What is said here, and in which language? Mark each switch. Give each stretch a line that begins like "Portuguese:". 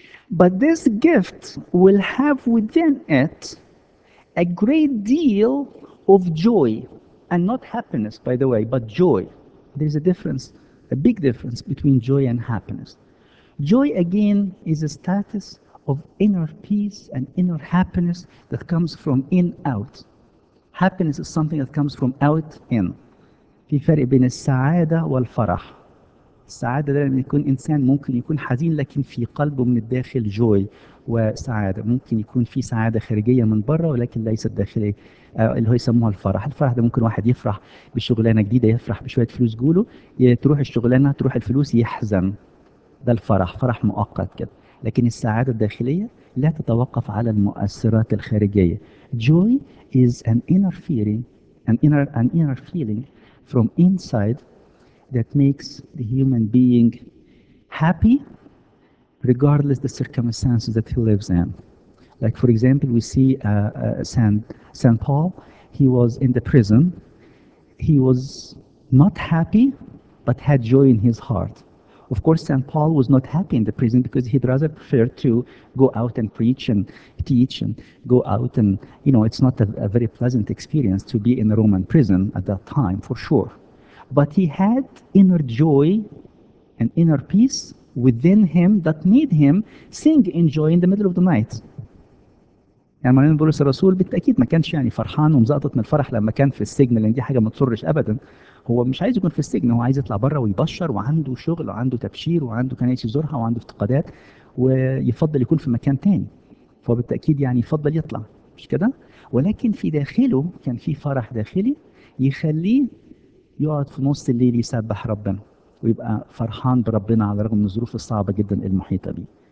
English: But this gift will have within it a great deal of joy, and not happiness, by the way, but joy. There's a difference, a big difference between joy and happiness. Joy, again, is a status of inner peace and inner happiness that comes from in out. Happiness is something that comes from out in.
Arabic: في فرق بين السعادة والفرح. السعادة ده لما يكون إنسان ممكن يكون حزين لكن في قلبه من الداخل جوي وسعادة، ممكن يكون في سعادة خارجية من بره ولكن ليست داخلية، اللي هو يسموها الفرح. الفرح ده ممكن واحد يفرح بشغلانة جديدة، يفرح بشوية فلوس، جوله تروح الشغلانة تروح الفلوس، يحزن، ده الفرح، فرح مؤقت كده. لكن السعادة الداخلية لا تتوقف على المؤثرات الخارجية.
English: Joy is an inner feeling, an inner feeling from inside that makes the human being happy regardless the circumstances that he lives in. Like for example, we see Saint Paul. He was in the prison. He was not happy but had joy in his heart. Of course, Saint Paul was not happy in the prison because he'd rather prefer to go out and preach and teach and go out and, you know, it's not a very pleasant experience to be in a Roman prison at that time, for sure. But he had inner joy and inner peace within him that made him sing in joy in the middle of the night.
Arabic: يعني مريم بولس الرسول بالتأكيد ما كانش يعني فرحان ومزقطط من الفرح لما كان في السجن، لأن دي حاجة ما تصرش أبدا. هو مش عايز يكون في السجن، هو عايز يطلع بره ويبشر، وعنده شغل وعنده تبشير وعنده كنائس يزورها وعنده افتقادات، ويفضل يكون في مكان تاني. فبالتأكيد يعني يفضل يطلع، مش كده؟ ولكن في داخله كان في فرح داخلي يخليه يقعد في نص الليل يسبح ربنا ويبقى فرحان بربنا على الرغم من الظروف الصعبة جدا المحيطة بيه.